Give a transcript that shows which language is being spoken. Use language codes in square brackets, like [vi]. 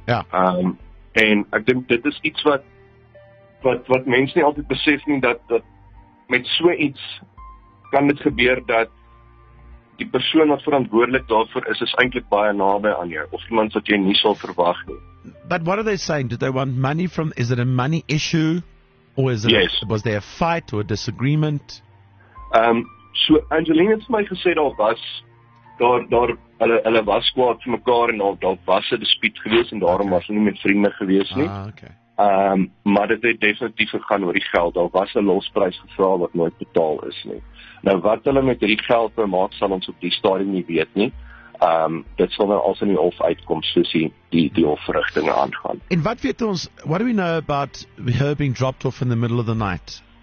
[af] Ja. En ek dink dit is iets wat mense nie altyd besef nie, dat met so iets kan dit gebeur dat die persoon wat verantwoordelik daarvoor is eintlik baie naby aan jou, of iemand wat jy nie sal verwag nie. [en] But what are they saying? Do they want money from, is it a money issue? Or is it, yes. Was there a fight or a disagreement? [af] So Angeline het vir my gesê daar was hulle was kwaad vir mekaar en daar was 'n dispuut gewees en daarom was hulle nie met vriende gewees nie. [en] Ah, okay. [af] Maar dit het definitief gegaan oor die geld. Daar was 'n losprys gevra wat nooit betaal is nie. Nou wat hulle met die geld maak sal ons op die stadium nie weet nie. Dit sal nou als in die hof uitkom soos die hofverrigtinge aangaan. En wat weet ons, [en] what do we know about her being dropped off in the middle of the night?